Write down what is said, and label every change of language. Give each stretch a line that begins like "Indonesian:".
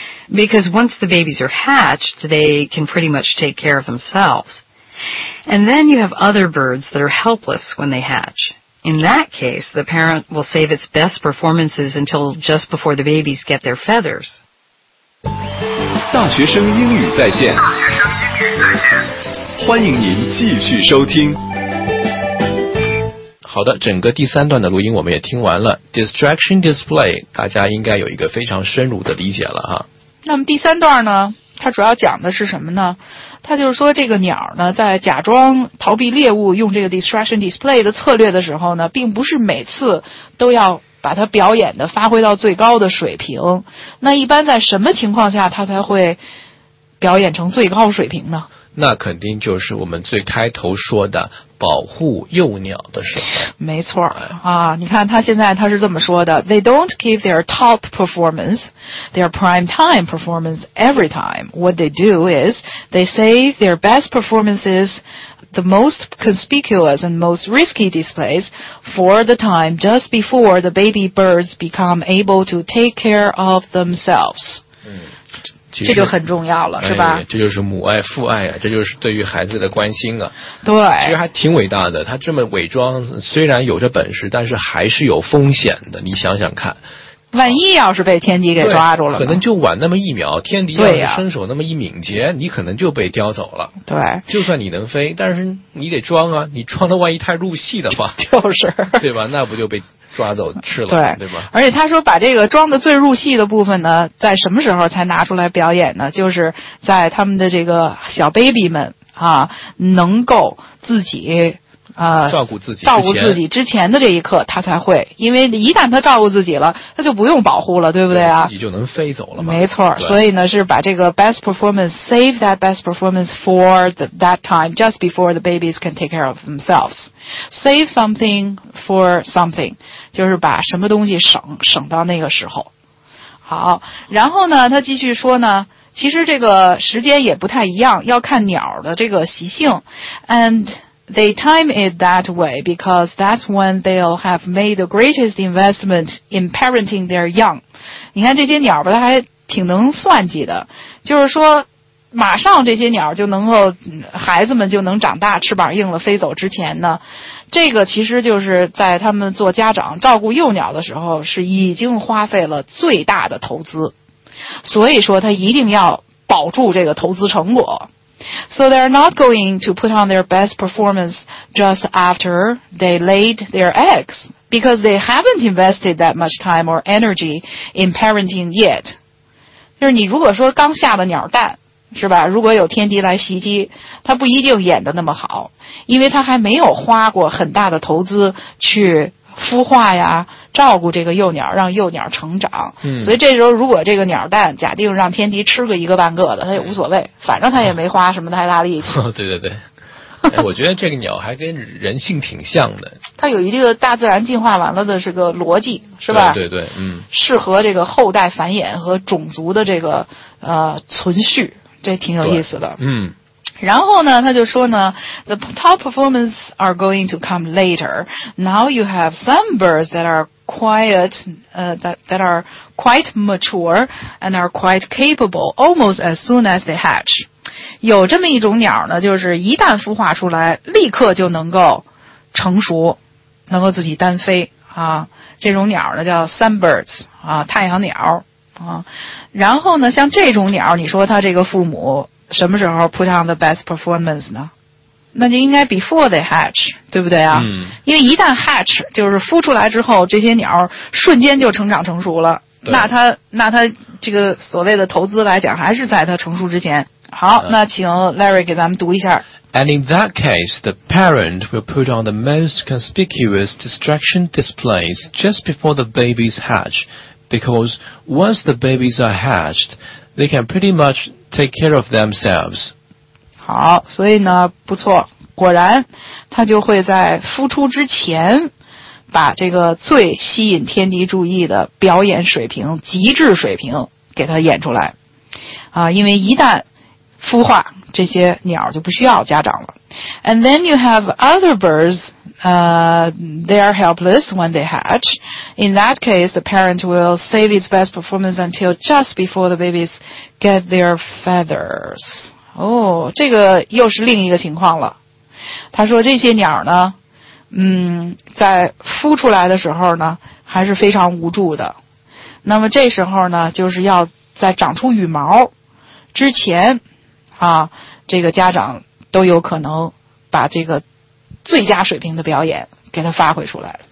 English: Because once the babies are hatched, they can pretty much take care of themselves. And then you have other birds that are helpless when they hatch. In that case, the parent will save its best performances until just before the babies get their feathers.
Chinese: 大学生英语在线，欢迎您继续收听。好的，整个第三段的录音我们也听完了。
English: Distraction display，
Chinese: 大家应该有一个非常深入的理解了哈。那么第三段呢，它主要讲的是什么呢？它就是说这个鸟呢，在假装逃避猎物用这个 distraction display 的策略的时候呢，并不是每次都要。把它表演的发挥到最高的水平，那一般在什么情况下它才会表演成最高水平呢？那肯定就是我们最开头说的保护幼鸟的时候。没错啊，你看他现在他是这么说的
English: ：They don't give their top performance, their prime time performance every time. What they do is they save their best performances. The most conspicuous and most risky displays for the time just before the baby birds become able to take care of themselves.、
Chinese: 嗯、这就很重要了、哎、是吧，这就是母爱父爱啊，这就是对于孩子的关心啊。对，其实还挺伟大的，他这么伪装虽然有着本事，但是还是有风险的，你想想看，万一要是被天敌给抓住了，可能就晚那么一秒，天敌要是伸手那么一敏捷、啊、你可能就被叼走了。对，就算你能飞，但是你得装啊，你装的万一太入戏的话，就是对吧，那不就被抓走吃了。对，对吧，而且他说把这个装的最入戏的部分呢，在什么时候才拿出来表演呢，就是在他们的这个小 baby 们啊，能够自己照顾自己之前的这一刻，他才会，因为一旦他照顾自己了，他就不用保护了，对不对啊？自己就能飞走了嘛。没错，所以呢，是把这个
English: best performance save that best performance for that time just before the babies can take care of themselves. Save something for something，
Chinese: 就是把什么东西省到那个时候。好，然后呢，他继续说呢。其实这个时间也不太一样，要看鸟的这个习性 ，and。
English: They time it that way because that's when they'll have made the greatest investment in parenting their young.
Chinese: 你看这些鸟吧，它还挺能算计的，就是说马上这些鸟就能够，孩子们就能长大，翅膀硬了飞走之前呢，这个其实就是在他们做家长照顾幼鸟的时候是已经花费了最大的投资，所以说他一定要保住这个投资成果。
English: So they're not going to put on their best performance just after they laid their eggs, because they haven't invested that much time or energy in parenting yet.
Chinese: 就是你如果说刚下了鸟蛋，是吧？如果有天敌来袭击，他不一定演得那么好，因为他还没有花过很大的投资去孵化呀，照顾这个幼鸟，让幼鸟成长。嗯，所以这时候如果这个鸟蛋假定让天敌吃个一个半个的，它也无所谓，反正它也没花什么太大力气。对对对，哎，我觉得这个鸟还跟人性挺像的。它有一定的大自然进化完了的这个逻辑，是吧？对对，嗯，适合这个后代繁衍和种族的这个存续，这挺有意思的。嗯。然后呢，他就说呢
English: ，the top performance are going to come later. Now you have some birds that are that are quite mature and are quite capable almost as soon as they hatch.
Chinese: 有这么一种鸟呢，就是一旦孵化出来，立刻就能够成熟，能够自己单飞啊。这种鸟呢叫 sunbirds 啊，太阳鸟啊。然后呢，像这种鸟，你说它这个父母什么时候
English: put on the best performance
Chinese: 呢？那就应该
English: before they hatch，
Chinese: 对不对啊？嗯。因为一旦 hatch， 就是孵出来之后，这些鸟瞬间就成长成熟了。那它这个所谓的投资来讲，还是在它成熟之前。好，那请 Larry 给咱们读一下。
English: And in that case, the parent will put on the most conspicuous distraction displays just before the babies hatch, because once the babies are hatched, they can pretty much take care of themselves.
Chinese: 好，所以呢，不错，果然，他就会在孵出之前，把这个最吸引天敌注意的表演水平、极致水平给他演出来。啊，因为一旦孵化，这些鸟就不需要家长了。
English: And then you have other birds, they are helpless when they hatch. In that case, the parent will save its best performance until just before the babies get their feathers.
Chinese: 哦，这个又是另一个情况了。他说这些鸟呢，在孵出来的时候呢，还是非常无助的。那么这时候呢，就是要在长出羽毛之前啊，这个家长都有可能把这个最佳水平的表演给他发挥出来。